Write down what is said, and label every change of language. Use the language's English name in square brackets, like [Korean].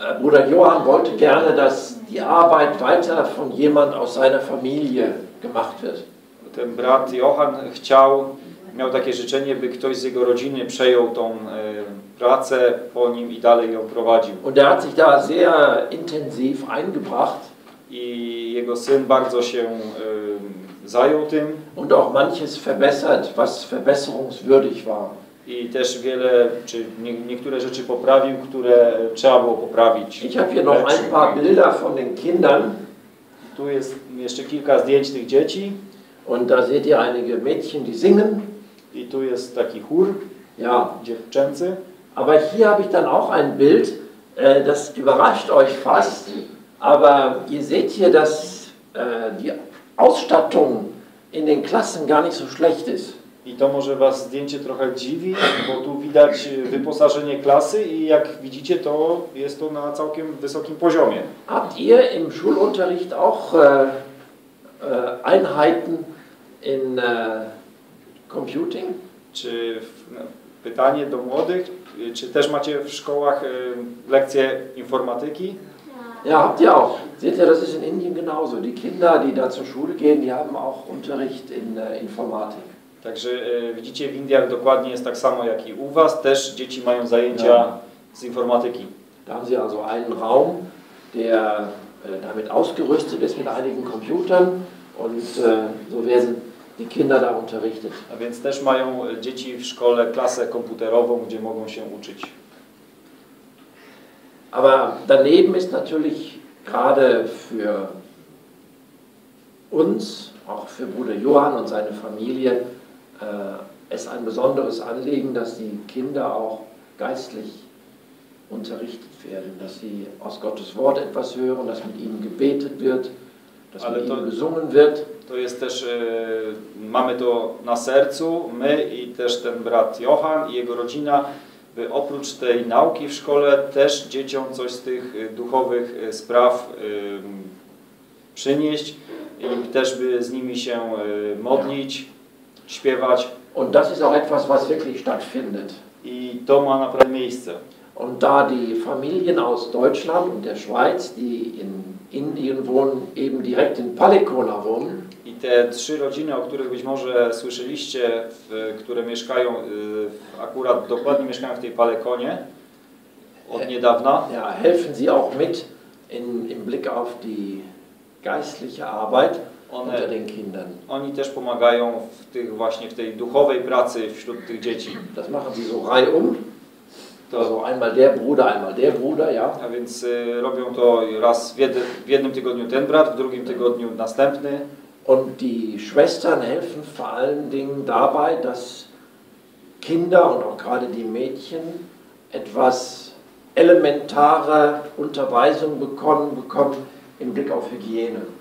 [German] Bruder Johann wollte gerne, dass die Arbeit weiter von jemand aus seiner Familie gemacht wird. [Polish] Ten brat Johann chciał, miał takie życzenie, by ktoś z jego rodziny przejął tą pracę po nim i dalej ją prowadził. [German] Und er hat sich da sehr intensiv eingebracht. [Polish] I jego syn bardzo się zajął tym. [German] Und auch manches verbessert, was verbesserungswürdig war. [Polish] I też wiele, czy niektóre rzeczy poprawił, które trzeba było poprawić. [German] Ich habe hier noch ein paar Bilder von den Kindern. [Polish] Tu jest jeszcze kilka zdjęć tych dzieci. [German] Und da seht ihr einige Mädchen, die singen. [Polish] I tu jest taki chór. [German] Ja, [Polish] dziewczęcy. [German] Aber hier habe ich dann auch ein Bild, das überrascht euch fast, aber ihr seht hier, dass die Ausstattung in den Klassen gar nicht so schlecht ist. [Polish] I to może was zdjęcie trochę dziwi, bo tu widać wyposażenie klasy i jak widzicie, to jest to na całkiem wysokim poziomie. [German] Habt ihr im Schulunterricht auch Einheiten in Computing? [Polish] Czy pytanie do młodych, czy też macie w szkołach lekcje informatyki? [German] Ja, habt ihr auch. Seht ihr, das ist in Indien genauso. Die Kinder, die da zur Schule gehen, die haben auch Unterricht in Informatik. [Polish] Także widzicie, w Indiach dokładnie jest tak samo jak i u was. Też dzieci mają zajęcia z informatyki. [German] Da haben sie also einen Raum, der damit ausgerüstet ist mit einigen Computern und so werden die Kinder da unterrichtet. [Polish] A więc też mają dzieci w szkole klasę komputerową, gdzie mogą się uczyć. [German] Aber daneben ist natürlich gerade für uns, auch für Bruder Johann und seine Familie, es ein besonderes Anliegen, dass die Kinder auch geistlich unterrichtet werden, dass sie aus Gottes Wort etwas hören, dass mit ihnen gebetet wird, dass mit ihnen gesungen wird. [Polish] To jest też, mamy to na sercu, my i też ten brat Johann i jego rodzina, by oprócz tej nauki w szkole też dzieciom coś z tych duchowych spraw przynieść i też by z nimi się modlić, śpiewać. [German] Und das ist auch etwas, was wirklich stattfindet. [Polish] I to ma naprawdę miejsce. [German] Und da die Familien aus Deutschland und der Schweiz, die in Indien wohnen, eben direkt in Palikona wohnen. [Polish] I te trzy rodziny, o których być może słyszeliście, które mieszkają, akurat dokładnie mieszkają w tej Palekonie od niedawna. [German] Ja, helfen sie auch mit im Blick auf die geistliche Arbeit unter den Kindern. [Polish] Oni też pomagają w tej duchowej pracy wśród tych dzieci. [German] Das machen sie so reihum. To so einmal der Bruder, einmal der Bruder, ja. [Polish] A więc robią to raz w jednym tygodniu ten brat, w drugim tygodniu następny. [German] Und die Schwestern helfen vor allen Dingen dabei, dass Kinder und auch gerade die Mädchen etwas elementare Unterweisung bekommen im Blick auf Hygiene.